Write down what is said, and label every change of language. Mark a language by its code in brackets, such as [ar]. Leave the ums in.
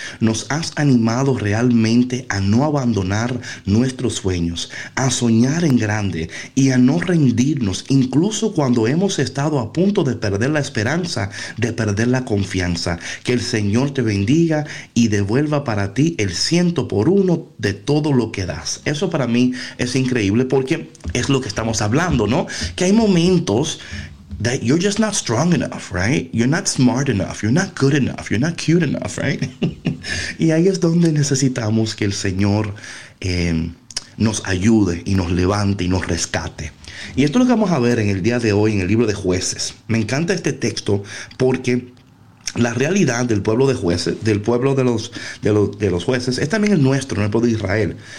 [es] Nos has animado realmente a no abandonar nuestros sueños, a soñar en grande y a no rendirnos, incluso cuando hemos estado a punto de perder la esperanza de perder la confianza. Que el Señor te bendiga y devuelva para ti el ciento por uno de todo lo que das. Eso para mí es increíble porque es lo que estamos hablando, ¿no? Que hay momentos [en] that you're just not strong enough, right? You're not smart enough, you're not good enough, you're not cute enough, right? [es] y ahí es donde necesitamos que el Señor eh, nos ayude y nos levante y nos rescate. Y esto es lo que vamos a ver en el día de hoy en el libro de jueces. Me encanta este texto porque la realidad del pueblo de jueces, del pueblo de los, de los, de los jueces, es también el nuestro, no el pueblo de Israel.